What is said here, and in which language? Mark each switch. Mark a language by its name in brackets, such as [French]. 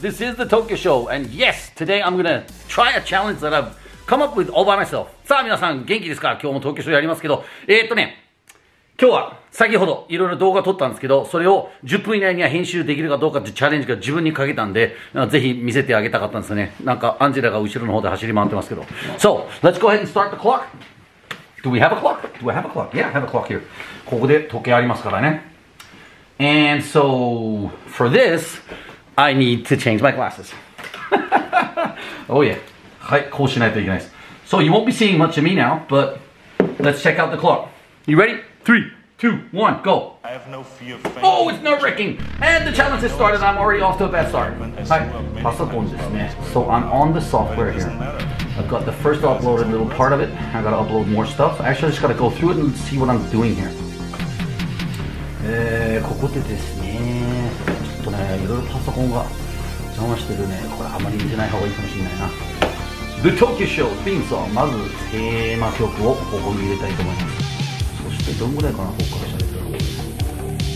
[English] This is the Tokyo Show, and yes, today I'm gonna try a challenge that I've come up with all by myself. [Japanese] さあ皆さん元気ですか？今日も東京ショーやりますけど、今日は先ほどいろいろ動画撮ったんですけど、それを10分以内には編集できるかどうかってチャレンジが自分にかけたんで、ぜひ見せてあげたかったんですよね。なんかアンジェラが後ろの方で走り回ってますけど。 [English] So, let's go ahead and start the clock. Do we have a clock? Do I have a clock? Yeah, I have a clock here. [Japanese] ここで時計ありますからね。 [English] And so, for this, I need to change my glasses. Oh yeah. [Japanese] はい、こうしないといけないです。 [English] So you won't be seeing much of me now, but let's check out the clock. You ready? 3, 2, 1, go! I have no fear of fame. Oh, it's nerve-wracking! And the challenge has started, I'm already off to a bad start. [Japanese] はい、パソコンですね。 [English] So I'm on the software here. I've got the first uploaded little part of it. I've got to upload more stuff. Actually, I just got to go through it and see what I'm doing here. [Japanese] ここでですね、ちょっとね、いろいろパソコンが邪魔してるね、これあまり見せない方がいいかもしれないな。 [English] The Tokyo Show Theme Song。 [Japanese] まずテーマ曲をここに入れたいと思います。そしてどんぐらいかな、ここからしゃべるの。